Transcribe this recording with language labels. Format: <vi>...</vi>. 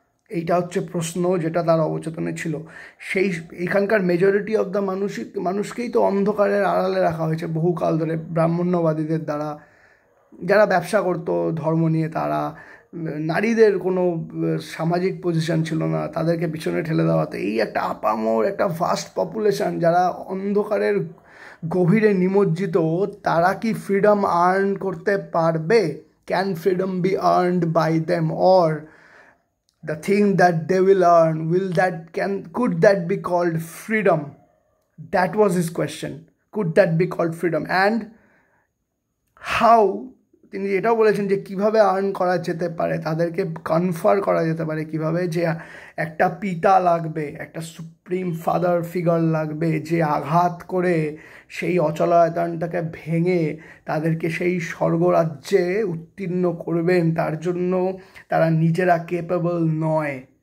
<bn>এইটা হচ্ছে প্রশ্ন যেটা তার অবচেতনে ছিল। সেই এখানকার মেজরিটি অফ দ্য মানুষকেই তো অন্ধকারের আড়ালে রাখা হয়েছে বহুকাল ধরে ব্রাহ্মণ্যবাদীদের দ্বারা, যারা ব্যবসা করতো ধর্ম নিয়ে, তারা নারীদের কোনো সামাজিক পজিশন ছিল না, তাদেরকে পিছনে ঠেলে দেওয়াতে এই একটা আপামোর একটা ভাস্ট পপুলেশান যারা অন্ধকারের গভীরে নিমজ্জিত, তারা কি ফ্রিডম আর্ন করতে পারবে?</bn> <en>Can freedom be earned by them, or the thing that they will earn, will that, can, could that be called freedom? That was his question. Could that be called freedom? And how,</en> <bn>তিনি এটাও বলেছেন যে কীভাবে earn করা যেতে পারে, তাদেরকে কনফার করা যেতে পারে কীভাবে, যে একটা পিতা লাগবে, একটা সুপ্রিম ফাদার ফিগার লাগবে, যে আঘাত করে সেই অচলায়তনটাকে ভেঙে তাদেরকে সেই স্বর্গরাজ্যে উত্তীর্ণ করবেন, তার জন্য তারা নিজেরা কেপেবল নয়।</bn>